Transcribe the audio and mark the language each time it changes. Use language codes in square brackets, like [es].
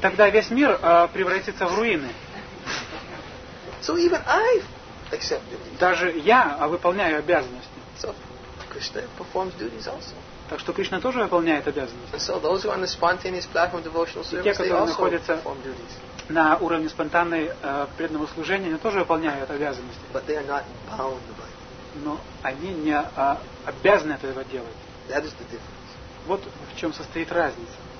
[ru] Тогда весь мир превратится в руины. [en] So even I accept duties. [ru] Даже я выполняю обязанности. [en] So Krishna performs duties also. [ru] Так что Кришна тоже выполняет обязанности. [en] So those who are on the spontaneous platform devotional service, [ru] те, которые находятся [en] perform duties. [ru] На уровне спонтанной преданного служения, они тоже выполняют обязанности. [en] But they are not bound by. [ru] Но они не обязаны этого делать. [en] That is the difference. [ru] Вот в чем состоит разница.